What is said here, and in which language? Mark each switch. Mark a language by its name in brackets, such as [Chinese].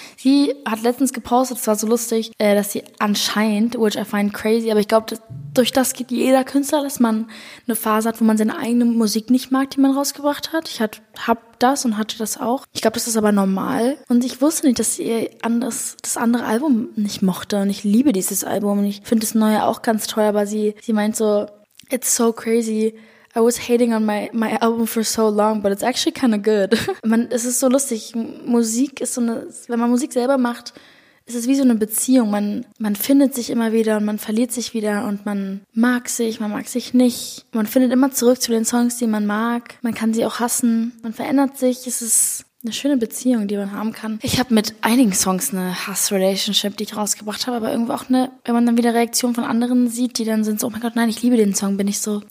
[German] Sie hat letztens gepostet, es war so lustig, dass sie anscheinend, [English] which I find crazy, [German] aber ich glaube, durch das geht jeder Künstler, dass man eine Phase hat, wo man seine eigene Musik nicht mag, die man rausgebracht hat. Ich hab das und hatte das auch. Ich glaube, das ist aber normal. Und ich wusste nicht, dass ihr das andere Album nicht mochte. Und ich liebe dieses Album. Und ich finde das neue auch ganz toll. Aber sie meint so, [English] it's so crazy. I was hating on my album for so long, but it's actually kind of good. [German] Man, es ist so lustig. Musik ist so eine, wenn man Musik selber macht, ist es wie so eine Beziehung. Man findet sich immer wieder und man verliert sich wieder und man mag sich nicht. Man findet immer zurück zu den Songs, die man mag. Man kann sie auch hassen. Man verändert sich. Es ist eine schöne Beziehung, die man haben kann. Ich habe mit einigen Songs eine Hass-Relationship, die ich rausgebracht habe, aber irgendwo auch eine, wenn man dann wieder Reaktionen von anderen sieht, die dann sind so, oh mein Gott, nein, ich liebe den Song, bin ich so.